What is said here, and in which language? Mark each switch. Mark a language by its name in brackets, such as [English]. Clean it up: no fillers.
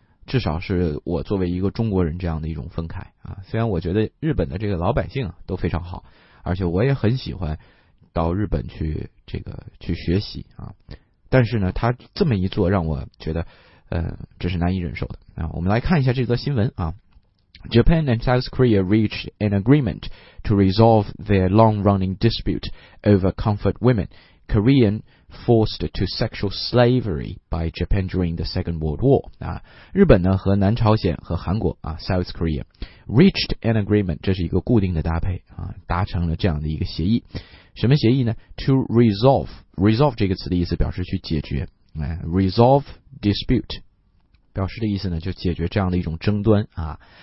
[Chinese] 至少是我作为一个中国人这样的一种愤慨啊，虽然我觉得日本的这个老百姓啊都非常好，而且我也很喜欢到日本去这个去学习啊，但是呢他这么一做让我觉得这是难以忍受的啊。我们来看一下这则新闻啊。 [English] Japan and South Korea reached an agreement to resolve their long-running dispute over comfort women, Korean forced to sexual slavery by Japan during the Second World War. [Chinese] 日本呢和南朝鲜和韩国啊 [English] South Korea reached an agreement, [Chinese] 这是一个固定的搭配啊，达成了这样的一个协议。什么协议呢？ To resolve 这个词的意思表示去解决啊， resolve dispute 表示的意思呢就解决这样的一种争端啊。